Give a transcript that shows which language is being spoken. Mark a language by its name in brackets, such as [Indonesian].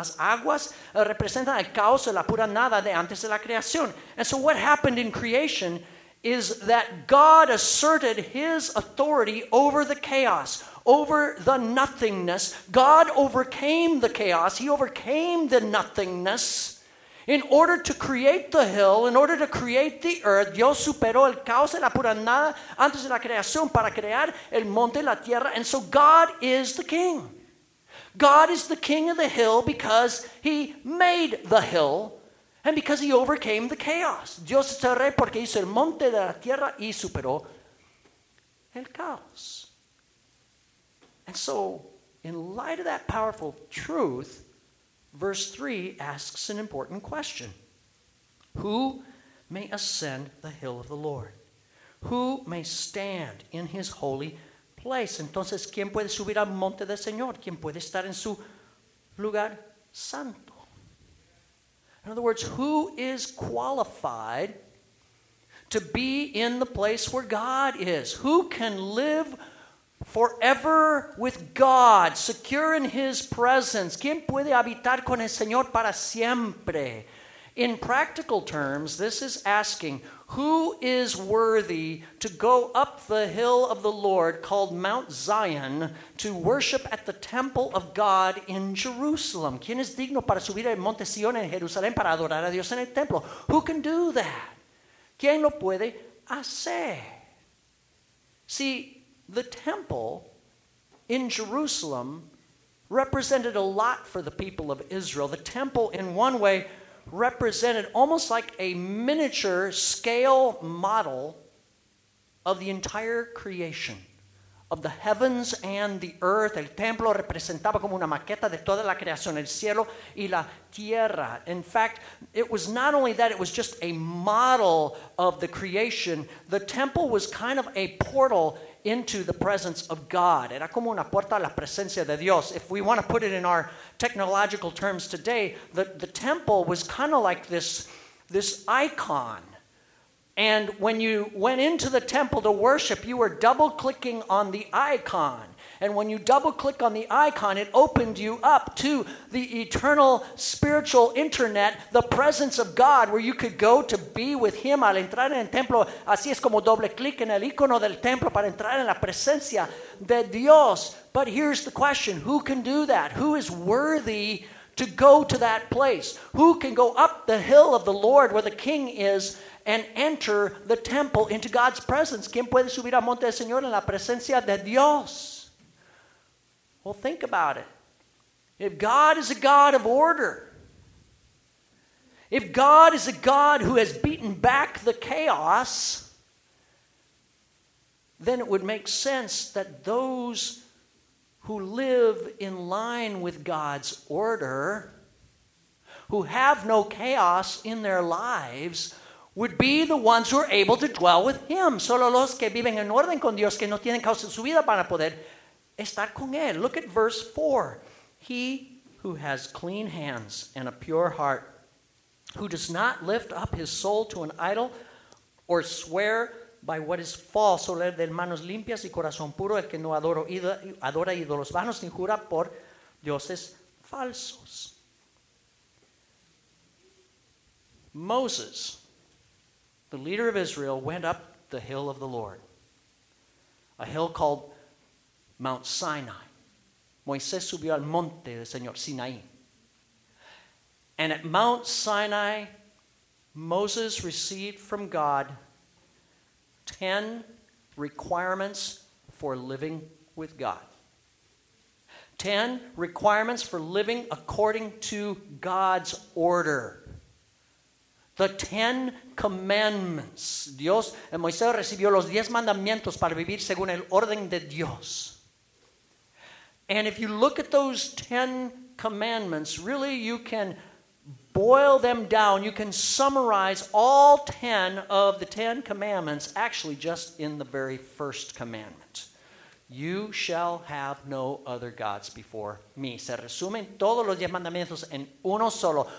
[Spanish] Las aguas representan el caos o la pura nada de antes de la creación. [English] And so what happened in creation is that God asserted his authority over the chaos, over the nothingness. God overcame the chaos. He overcame the nothingness in order to create the hill, in order to create the earth. [Spanish] Dios superó el caos y la pura nada antes de la creación para crear el monte y la tierra. [English] And so God is the king. God is the king of the hill because he made the hill. And because he overcame the chaos. [Spanish] Dios es el rey porque hizo el monte de la tierra y superó el caos. [English] And so, in light of that powerful truth, verse 3 asks an important question. Who may ascend the hill of the Lord? Who may stand in his holy place? [Spanish] Entonces, ¿quién puede subir al monte del Señor? ¿Quién puede estar en su lugar santo? [English] In other words, who is qualified to be in the place where God is? Who can live forever with God, secure in his presence? [Spanish] ¿Quién puede habitar con el Señor para siempre? [English] In practical terms, this is asking, who is worthy to go up the hill of the Lord called Mount Zion to worship at the temple of God in Jerusalem? [Spanish] ¿Quién es digno para subir al monte Sion en Jerusalén para adorar a Dios en el templo? [English] Who can do that? [Spanish] ¿Quién lo puede hacer? [English] See, the temple in Jerusalem represented a lot for the people of Israel. The temple, in one way, represented almost like a miniature scale model of the entire creation, of the heavens and the earth. [Spanish] El templo representaba como una maqueta de toda la creación, el cielo y la tierra. [English] In fact, it was not only that, it was just a model of the creation. The temple was kind of a portal into the presence of God. [Spanish] Era como una puerta a la presencia de Dios. [English] If we want to put it in our technological terms today, the temple was kind of like this icon. And when you went into the temple to worship, you were double-clicking on the icon. And when you double-click on the icon, it opened you up to the eternal spiritual internet, the presence of God, where you could go to be with him. [Spanish] Al entrar en el templo, así es como doble-click en el icono del templo para entrar en la presencia de Dios. [English] But here's the question, who can do that? Who is worthy to go to that place? Who can go up the hill of the Lord where the king is and enter the temple into God's presence? [Spanish] ¿Quién puede subir al monte del Señor en la presencia de Dios? [English] Well, think about it. If God is a God of order, if God is a God who has beaten back the chaos, then it would make sense that those who live in line with God's order, who have no chaos in their lives, would be the ones who are able to dwell with him. [Spanish] Solo los que viven en orden con Dios, que no tienen caos en su vida, van a poder estar con él. [English] Look at verse 4. He who has clean hands and a pure heart, who does not lift up his soul to an idol or swear by what is false. [Spanish] Solo el de manos limpias y corazón puro, el que no adora ídolos vanos ni jura por dioses falsos. [English] Moses, the leader of Israel, went up the hill of the Lord, a hill called Mount Sinai. [Spanish] Moisés subió al monte del Señor, Sinaí. [English] And at Mount Sinai, Moses received from God 10 requirements for living with God. 10 requirements for living according to God's order. The 10 commandments. [Spanish] Dios, Moisés recibió los 10 mandamientos para vivir según el orden de Dios. [English] And if you look at those 10 commandments, really you can boil them down. You can summarize all 10 of the 10 commandments actually just in the very first commandment. You shall have no other gods before me. [Spanish] Se resumen todos los 10 mandamientos en uno solo.